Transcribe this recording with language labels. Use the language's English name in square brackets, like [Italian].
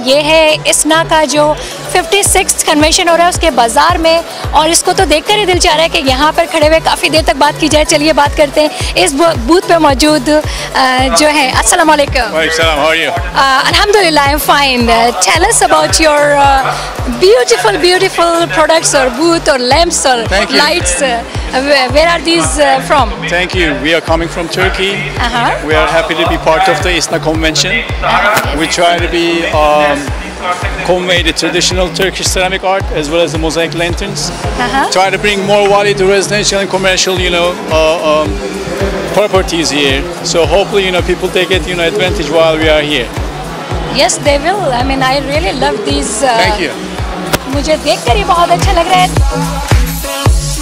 [Hindi] ये है इस्ना का जो 56th कन्वेंशन हो रहा है उसके बाज़ार में, और इसको तो देखकर ही दिल चाह रहा है कि यहाँ पर खड़े हुए काफ़ी देर तक बात की जाए. चलिए बात करते हैं इस बूथ पे मौजूद जो है. अस्सलाम वालेकुम. [English] वालेकुम. How are you? अल्हम्दुलिल्लाह, I am fine. Tell us about your beautiful beautiful products और booth और lamps और lights. Where are these from? Thank you. We are coming from Turkey. Uh-huh. We are happy to be part of the ISNA convention. Uh-huh. We try to be convey the traditional Turkish ceramic art as well as the mosaic lanterns. Uh-huh. Try to bring more value to residential and commercial, you know, properties here. So hopefully, you know, people take it, you know, advantage while we are here. Yes, they will. I mean, I really love these. Thank you. [Hindi] मुझे देखकर ही बहुत अच्छा लग रहा है.